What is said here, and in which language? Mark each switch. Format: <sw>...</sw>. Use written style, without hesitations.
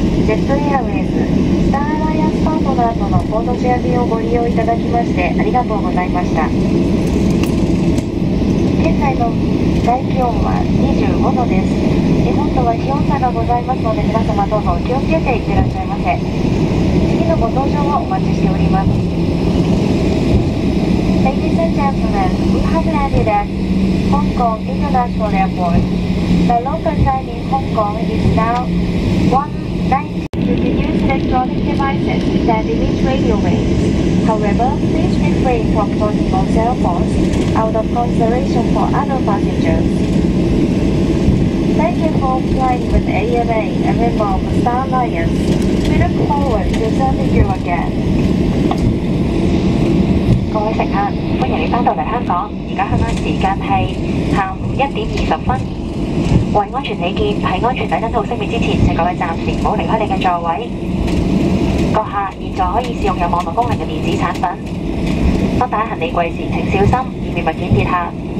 <ja>ジェットエアウェイズ、スターアライアンスパートナーとのコードシェア便をご利用いただきましてありがとうございました。現在の外気温は25度です。日本とは気温差がございますので皆様どうぞお気をつけていってらっしゃいませ。次のご搭乗をお待ちしております。</ja> <en>Ladies and gentlemen, we have landed at Hong Kong International Airport. The local time in Hong Kong is now 19 to use electronic devices that emit radio waves. However, please refrain from talking on cell phones out of consideration for other passengers. Thank you for flying with ANA, a member of Star Alliance. We look forward to serving you again. Good morning,</en> <yue>欢迎你返到嚟香港。而家香港时间系下午1:20。为安全起见，在安全顶灯号熄灭之前，请各位暂时不要离开你的座位。阁下现在可以使用有网络功能的电子产品。当打开行李柜时，请小心，以免物件跌下。</yue>